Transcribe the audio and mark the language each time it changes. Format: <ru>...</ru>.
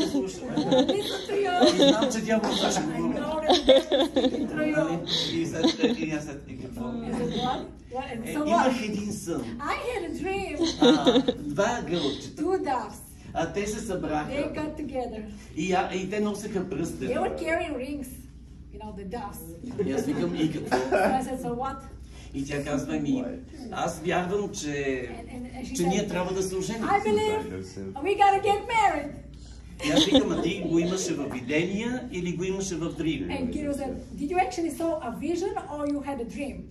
<bg>слушам. Имах един сън.</bg> <en>I had a dream.</en> <bg>Два гълчета.</bg> <en>Two doves.</en> <bg>А те се събраха.</bg> <en>They got together.</en> <bg>И те носеха пръстени.</bg> <en>They were carrying rings, you know, the doves.</en> <bg>И аз викам, и какво?</bg> <en>I said, so what?</en> <bg>И тя казва ми, аз вярвам, че ние трябва да се оженим.</bg> <en>I believe we gotta get married.</en> <bg>И аз викам, а ти го имаше във видение или го имаше в дрим?</bg> <en>And Kiro said, did you actually saw a vision or you had a dream?</en>